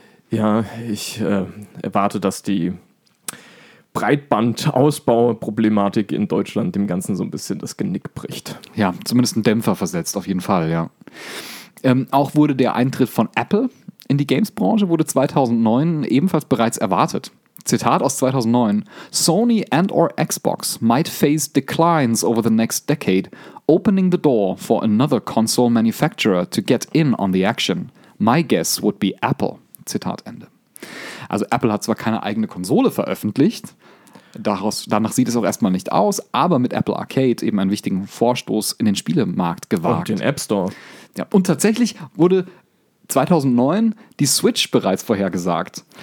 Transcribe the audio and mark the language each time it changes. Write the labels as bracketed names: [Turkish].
[German] Ja, ich erwarte, dass die Breitbandausbauproblematik in Deutschland dem Ganzen so ein bisschen das Genick bricht. Ja, zumindest einen Dämpfer versetzt, auf jeden Fall, ja. Auch wurde der Eintritt von Apple in die Games-Branche wurde 2009 ebenfalls bereits erwartet. Zitat aus 2009: [English] Sony and or Xbox might face declines over the next decade, opening the door for another console manufacturer to get in on the action. My guess would be Apple. [German] Zitat Ende. Also Apple hat zwar keine eigene Konsole veröffentlicht, danach sieht es auch erstmal nicht aus, aber mit Apple Arcade eben einen wichtigen Vorstoß in den Spielemarkt gewagt. Und den App Store. Ja, und tatsächlich wurde 2009 die Switch bereits vorhergesagt.